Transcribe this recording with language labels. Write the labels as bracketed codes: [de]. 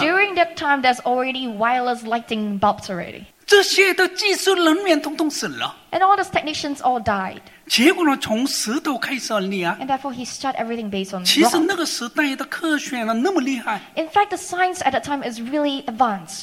[en] So during that time, there's already wireless lighting bulbs already. [zh] 这些的技术人员统统死了。 [en] And all those technicians all died. [zh] 结果呢, 从石头开始立啊。 [en] And therefore, he started everything based on rock. [zh] 其实那个时代的科学呢, 那么厉害。 [en] In fact, the science at that time is really advanced.